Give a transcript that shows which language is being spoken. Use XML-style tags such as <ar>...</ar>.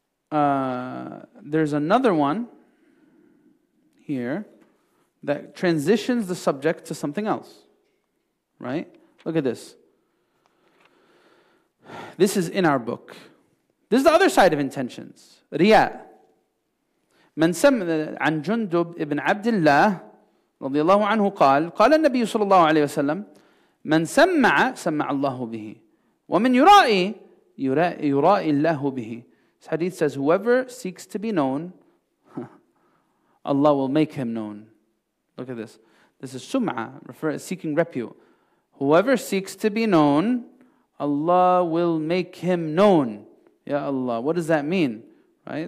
<en>There's another one here that transitions the subject to something else. Right? Look at this. This is in our book. This is the other side of intentions. Riya.</en> <ar>من سمى عن جندب ابن عبد الله رضي الله عنه قال قال النبي صلى الله عليه وسلم من سمع سمع الله به ومن يرائي يرائي الله به.</ar> <en>This hadith says, whoever seeks to be known, Allah will make him known. Look at this. This is sum'a, referring to seeking repute. Whoever seeks to be known, Allah will make him known. Ya Allah. What does that mean? Right?</en>